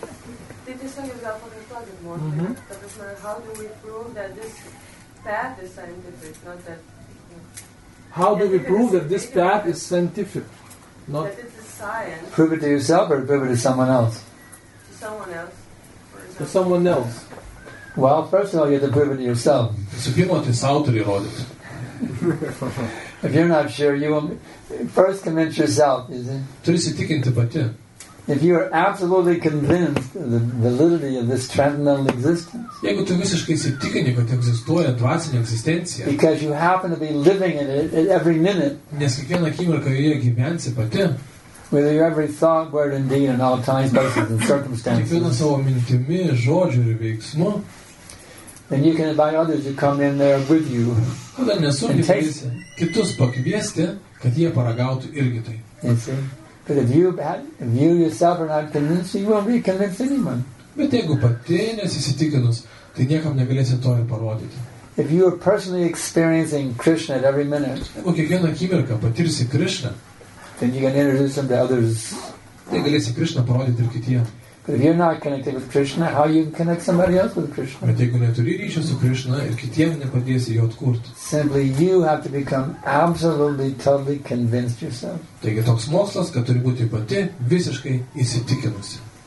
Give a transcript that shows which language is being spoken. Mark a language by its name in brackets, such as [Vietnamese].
[Lithuanian] Tai tiesiog jau gal pakartoti mokyti. [English] How do we prove that this path is scientific, not that... How do we prove that this path is scientific? Not that it's a science. Prove it to yourself or prove it to someone else? To someone else. To someone else. Well, first of all, you have to prove it to yourself. So if you want to sound to your audience. If you're not sure, you will first convince yourself, is it? [Lithuanian] Turi įsitikinti pati. [English] If you are absolutely convinced of the validity of this transcendental existence, [Lithuanian] jeigu tu visiškai įsitikini, kad egzistuoja dvasinė egzistencija, [English] because you happen to be living in it at every minute, [Lithuanian] nes kiekvieną akimirką joje gyvensi pati, [English] whether your every thought, word, and deed in all times, places, and circumstances, [Lithuanian] kiekvieną savo mintimi, žodžiu ir veiksmu, [English] then you can invite others to come in there with you. [Lithuanian] Tada nesunkiai kviesi kitus pakviesti, kad jie paragautų irgi tai. [English] But if you yourself are not convinced, you won't be convinced anyone. [Lithuanian] Bet jeigu pati nesisitikinus, tai niekam negalėsi to ir parodyti. [English] If you are personally experiencing Krishna at every minute, [Lithuanian] jeigu kiekvieną akimirką patirsi Krishna, [English] then you can introduce him to others. [Lithuanian] Tai galėsi Krishna parodyti ir kitiem. [English] But if you're not connected with Krishna, how you can connect somebody else with Krishna? [Lithuanian] Bet jeigu neturi ryšio su Krishna, ir kitiem nepadėsi jo atkurti. [English] Simply, you have to become absolutely, totally convinced yourself. [Lithuanian] Taigi toks mokslas, kad turi būti pati visiškai įsitikinusi.